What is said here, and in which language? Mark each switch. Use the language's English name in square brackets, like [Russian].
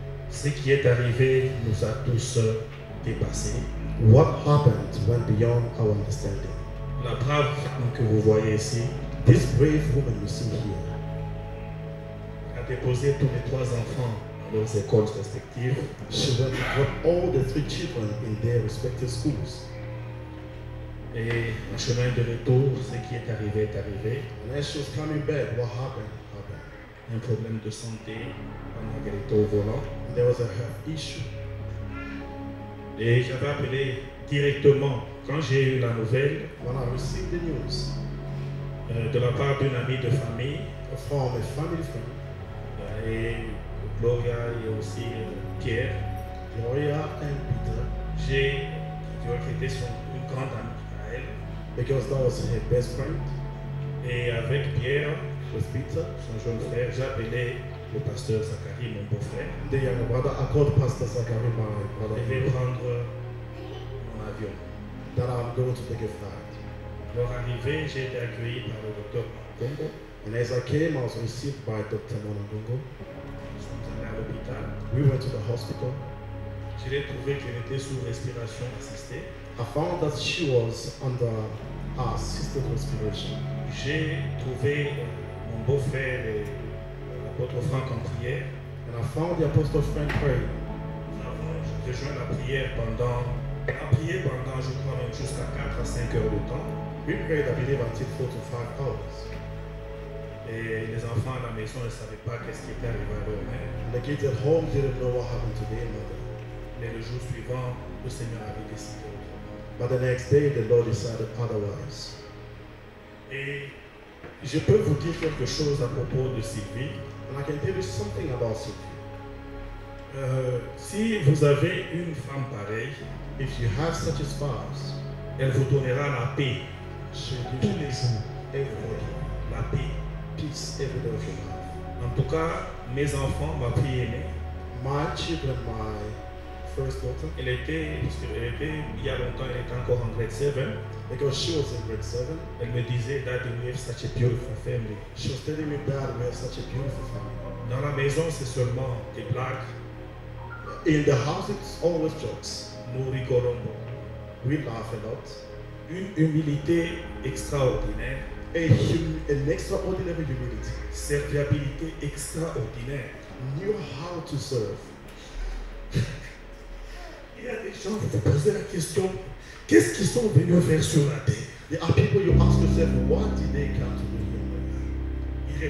[French] Ce qui est arrivé nous a tous dépassés. [English] What happened went beyond our understanding. [French] La brave femme que vous voyez ici, [English] this brave woman you see here, [French] a déposé tous les trois enfants à leurs écoles respectives. [English] She went and put all the three children in their respective schools. [French] Et en chemin de retour, ce qui est arrivé est arrivé. [English] And as she was coming back, what happened? [French] Un problème de santé, un agréto au volant. [English] There was a health issue. [French] Et j'avais appelé directement, quand j'ai eu la nouvelle, [English] when I received the news, [French] de la part d'une amie de famille, [English] from a family friend, [French] et Gloria et aussi Pierre, [English] Gloria and Peter, [French] j'ai inquiété son une grande amie. [English] Because that was her best friend. [French] Et avec Pierre, [English] with Peter, [French] son jeune frère, j'appelais le pasteur Zachary, mon beau-frère. [English] The younger brother, I called Pastor Zachary, my brother. [French] Je vais prendre mon avion. [English] That I'm going to take a flight. [French] Leur arrivée, j'ai été accueilli par le docteur Mongongo. [English] And as I came, I was received by Dr. Mongongo. [French] Nous sommes allés à l'hôpital. [English] We went to the hospital. [French] Je l'ai trouvé qu'elle était sous respiration assistée. [English] I found that she was under assisted respiration. [French] J'ai trouvé mon beau-frère et l'apôtre Franck en prière. [English] And I found the apostle Frank praying. [French] Nous avons rejoint la prière pendant, je crois, même jusqu'à 4 à 5 heures de temps. [English] We prayed, I believe, until 4 to 5 hours. [French] Et les enfants à la maison ne savaient pas qu'est-ce qui était arrivé à leur mère. [English] And the kids at home didn't know what happened to their mother. [French] Mais le jour suivant, le Seigneur avait décidé. [English] But the next day, the Lord decided otherwise. [French] Et je peux vous dire quelque chose à propos de Sylvie. [English] And I can tell you something about Sylvie. [French] Si vous avez une femme pareille, [English] if you have such a spouse, [French] elle vous donnera la paix. [English] She will give you peace every day. [French] La paix. [English] Peace every day of your life. [French] En tout cas, mes enfants, ma fille aînée. [English] My children, my first daughter. [French] Il y a longtemps, elle était encore en grade 7. [English] Because she was in grade 7. [French] Elle me disait, [English] Dad, we have such a beautiful family. She was telling me, Dad, we have such a beautiful family. [French] Dans la maison, c'est seulement des blagues. [English] In the house, it's always jokes. [French] Nous rigolons beaucoup. [English] We laugh a lot. [French] Une humilité extraordinaire. [English] An extraordinary humility. [French] Serviabilité extraordinaire. [English] Knew how to serve. [French] Il y a des gens, vous posez la question, qu'est-ce qu'ils sont venus faire sur la terre? [English] There are people you ask yourself, what did they come to do here?